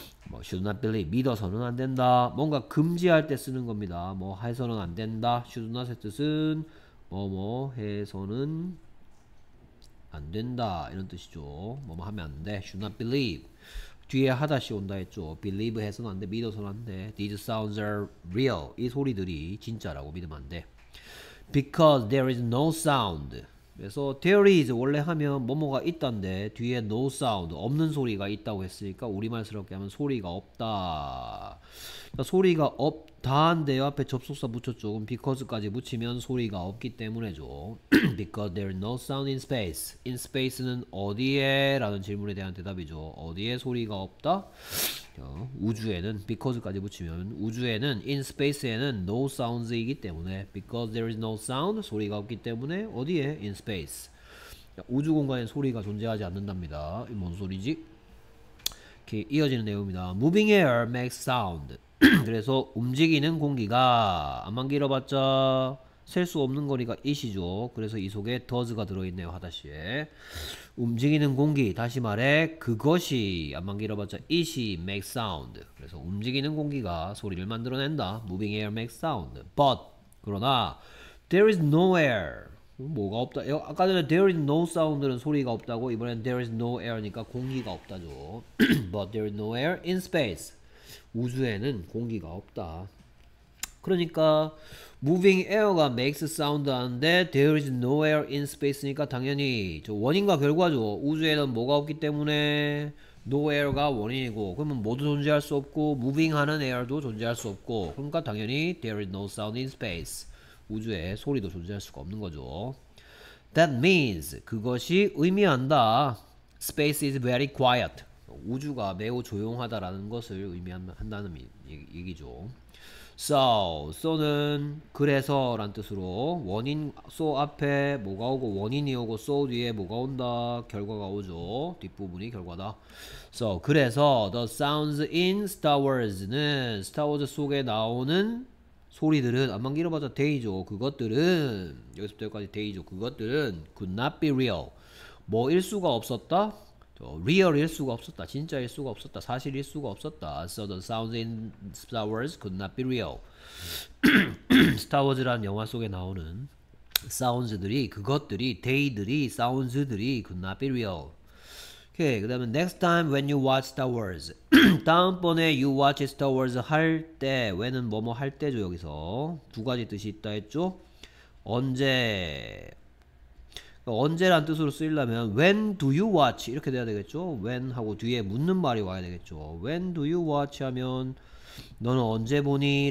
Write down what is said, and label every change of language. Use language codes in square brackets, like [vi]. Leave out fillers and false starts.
[ko] 뭐 [en] should not believe [ko] 믿어서는 안 된다 뭔가 금지할 때 쓰는 겁니다. 뭐 해서는 안 된다. should not의 뜻은 뭐뭐 해서는 안 된다 이런 뜻이죠. 뭐뭐 하면 안돼 [en] should not believe [ko] 뒤에 하다시 온다 했죠. believe 해서는 안돼 믿어서는 안돼 [en] these sounds are real [ko] 이 소리들이 진짜라고 믿으면 안돼 [en] because there is no sound. [ko] 그래서 there is 원래 하면 뭐뭐가 있던데 뒤에 no sound 없는 소리가 있다고 했으니까 우리말스럽게 하면 소리가 없다. 그러니까 소리가 없다인데 옆에 접속사 붙였죠. 그럼 because까지 붙이면 소리가 없기 때문에죠. [en] because there is no sound in space. [ko] in space는 어디에? 라는 질문에 대한 대답이죠. 어디에 소리가 없다? 우주에는 because까지 붙이면 우주에는 in space에는 no sounds이기 때문에 [en] because there is no sound [ko] 소리가 없기 때문에 어디에 in space 우주 공간에 소리가 존재하지 않는답니다. 뭔 소리지? 이렇게 이어지는 내용입니다. [en] Moving air makes sound. [ko] 그래서 움직이는 공기가 안만 길어봤자 셀수 없는 거리가 is이죠. 그래서 이 속에 does가 들어있네요. 하다시에 움직이는 공기 다시 말해 그것이 안만 길어봤자 is이 [en] make sound. [ko] 그래서 움직이는 공기가 소리를 만들어낸다. [en] moving air make sound. but [ko] 그러나 [en] there is no air [ko] 뭐가 없다. 아까 전에 [en] there is no sound [ko] 는 소리가 없다고 이번엔 [en] there is no air [ko] 니까 공기가 없다죠. [en] but there is no air in space. [ko] 우주에는 공기가 없다. 그러니까 moving air가 makes sound 하는데 [en] there is no air in space [ko] 니까 당연히 저 원인과 결과죠. 우주에는 뭐가 없기 때문에 no air가 원인이고 그러면 뭐도 존재할 수 없고 moving 하는 air도 존재할 수 없고 그러니까 당연히 [en] there is no sound in space. [ko] 우주에 소리도 존재할 수가 없는 거죠. [en] That means [ko] 그것이 의미한다. [en] Space is very quiet. [ko] 우주가 매우 조용하다라는 것을 의미한다는 얘기죠. So는 그래서란 뜻으로 원인 so 앞에 뭐가 오고 원인이 오고 so 뒤에 뭐가 온다 결과가 오죠. 뒷부분이 결과다. So 그래서 [en] the sounds in Star Wars [ko] 는 스타워즈 속에 나오는 소리들은 암만 길어봤자 데이죠. 그것들은 여기서부터 여기까지 데이죠. 그것들은 [en] could not be real. [ko] 뭐일 수가 없었다. 리얼일 수가 없었다. 진짜일 수가 없었다. 사실일 수가 없었다. [en] So the sounds in Star Wars could not be real. [ko] 스타워즈라는 영화 속에 나오는 사운드들이, 그것들이, 데이들이, 사운드들이 [en] could not be real. Okay, [ko] 그 다음에 [en] next time when you watch Star Wars. [ko] 다음번에 [en] you watch Star Wars [ko] 할 때, when은 뭐뭐 할 때죠, 여기서. 두 가지 뜻이 있다 했죠? 언제? 언제란 뜻으로 쓰이려면 [en] when do you watch [ko] 이렇게 돼야 되겠죠? when 하고 뒤에 묻는 말이 와야 되겠죠. [en] when do you watch [ko] 하면 너는 언제 보니?